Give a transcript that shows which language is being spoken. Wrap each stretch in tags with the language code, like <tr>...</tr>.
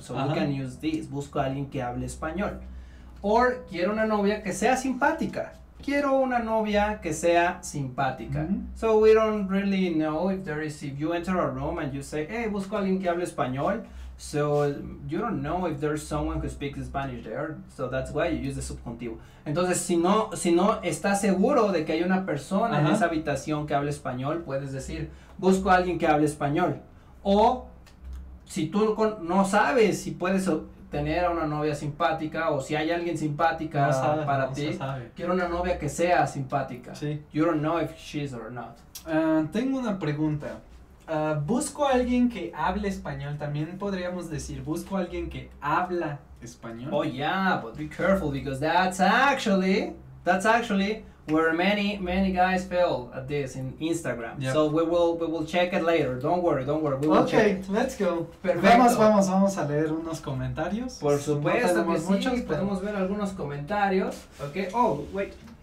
<en>So we can use this.</en> <es>Busco a alguien que hable español. Or quiero una novia que sea simpática. Quiero una novia que sea simpática.</es> <en>Mm-hmm. So we don't really know if there is, if you enter a room and you say, hey,</en> <es>busco a alguien que hable español.</es> <en>So you don't know if there's someone who speaks Spanish there. So that's why you use the subjuntivo.</en> <es>Entonces, si no estás seguro de que hay una persona en esa habitación que hable español, puedes decir, busco a alguien que hable español. O si tú no sabes si puedes... tener a una novia simpática, o si hay alguien simpática no sabe, para no ti, quiero una novia que sea simpática. Sí.</es> <en>You don't know if she's or not.</en> <es>Tengo una pregunta. Busco a alguien que hable español. También podríamos decir, busco a alguien que habla español.</es> <en>Oh, yeah, but be careful, because that's actually where many guys fail at this in Instagram. Yep. So we will check it later. Don't worry. We will check. Okay, let's go.</en> <es>Perfecto. Vamos a leer unos comentarios. Por supuesto, no tenemos muchos, sí, pero... podemos ver algunos comentarios. Okay.</es> <en>Oh, wait.</en>